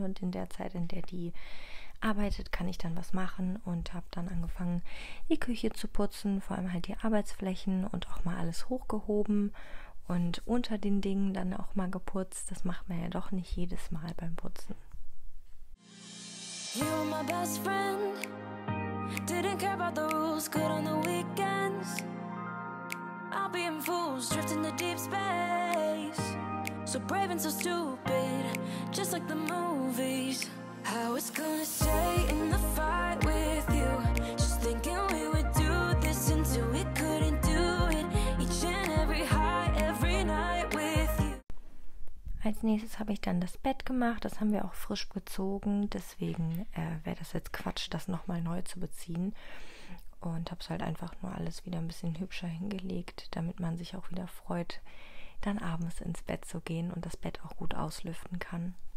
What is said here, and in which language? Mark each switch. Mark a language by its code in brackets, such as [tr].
[de] Und in der Zeit, in der die arbeitet, kann ich dann was machen und habe dann angefangen, die Küche zu putzen, vor allem halt die Arbeitsflächen und auch mal alles hochgehoben und unter den Dingen dann auch mal geputzt. Das macht man ja doch nicht jedes Mal beim Putzen. [en] You're my best friend. Didn't care about the rules, good on the weekends. I'll be in fools, drifting to deep space. So brave and so stupid, just like the movies. I was gonna stay in the fight with you. Just thinking we would do this until we couldn't do it. Each and every high, every night with you. [de] Als nächstes habe ich dann das Bett gemacht. Das haben wir auch frisch bezogen. Deswegen wäre das jetzt Quatsch, das nochmal neu zu beziehen. Und habe es halt einfach nur alles wieder ein bisschen hübscher hingelegt, damit man sich auch wieder freut, dann abends ins Bett zu gehen und das Bett auch gut auslüften kann.